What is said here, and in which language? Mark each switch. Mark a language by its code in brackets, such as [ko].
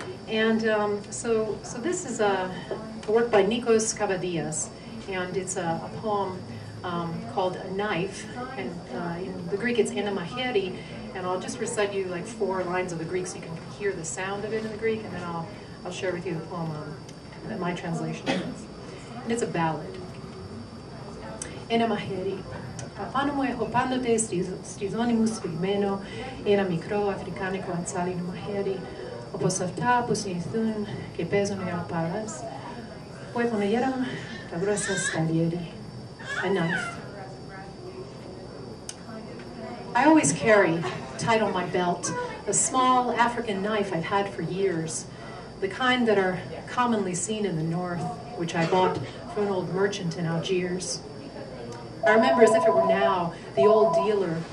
[en] And so this is a work by Nikos Kavadias, and it's a poem called A Knife, and in the Greek it's anamahiri, and I'll just recite you like four lines of the Greek so you can hear the sound of it in the Greek, and then I'll share with you the poem that my translation is. And it's a ballad. Anamahiri. [el] Πάνω μου έχω πάντοτε στη ζώνη μου σφιγμένο ένα μικρό αφρικάνικο ατσάλινο μαχαίρι όπως αυτά που συνηθούν και παίζουν οι αλπάδες που έχουν γέρα τα γρόσα σκαλιέρι. [en] A knife. I always carry, tied on my belt, a small African knife I've had for years, the kind that are commonly seen in the north, which I bought from an old merchant in Algiers. I remember as if it were now, the old dealer